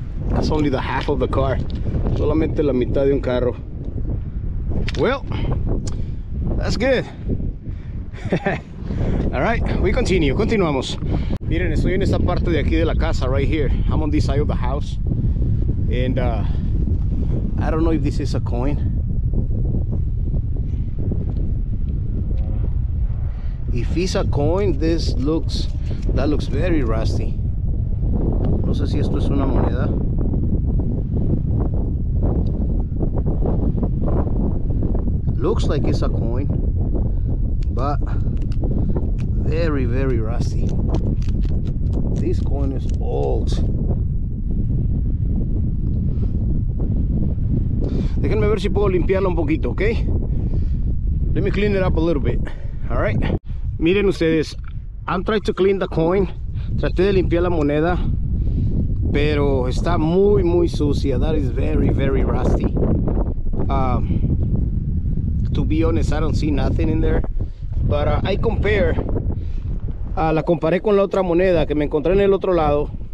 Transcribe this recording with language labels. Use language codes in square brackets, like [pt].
[en] That's only the half of the car. [es] Solamente la mitad de un carro. [en] Well, that's good. All right, we continue. [es] Continuamos. Miren, estoy en esta parte de aquí de la casa, [en] right here. I'm on this side of the house. And I don't know if this is a coin. If it's a coin, that looks very rusty. [es] No sé si esto es una moneda. [en] Looks like it's a coin, but very, very rusty. This coin is old. [es] Déjenme ver si puedo limpiarlo un poquito, ¿ok? [en] Let me clean it up a little bit. All right. [es] Miren ustedes, [en] I'm trying to clean the coin. [es] Traté de limpiar la moneda, pero está muy, muy sucia. [en] That is very, very rusty. To be honest, I don't see nothing in there. But I compare. [es] La comparé con la otra moneda que me encontré en el otro lado.